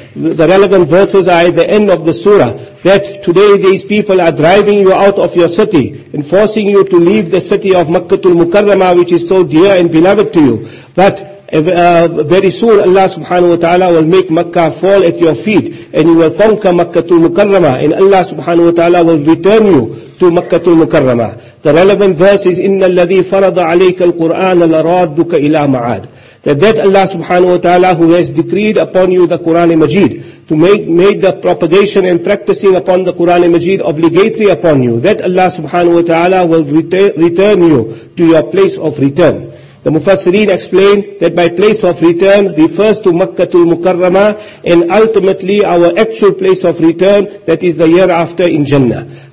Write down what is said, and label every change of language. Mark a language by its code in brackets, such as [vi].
[en] The relevant verses are at the end of the surah, that today these people are driving you out of your city and forcing you to leave the city of Makkatul Mukarramah, which is so dear and beloved to you. But very soon Allah subhanahu wa ta'ala will make Makkah fall at your feet, and you will conquer Makkatul Mukarramah, and Allah subhanahu wa ta'ala will return you to Makkatul Mukarramah. The relevant verse is [ar] إِنَّ الَّذِي فَرَضَ عَلَيْكَ الْقُرْآنَ لَرَادُّكَ إِلَى مَعَادٍ. [en] That Allah subhanahu wa ta'ala, who has decreed upon you the Qur'an Majid, to make the propagation and practicing upon the Qur'an Majid obligatory upon you, that Allah subhanahu wa ta'ala will return you to your place of return. The Mufassirin explained that by place of return refers to Makkatul Mukarramah, and ultimately our actual place of return, that is the year after in Jannah.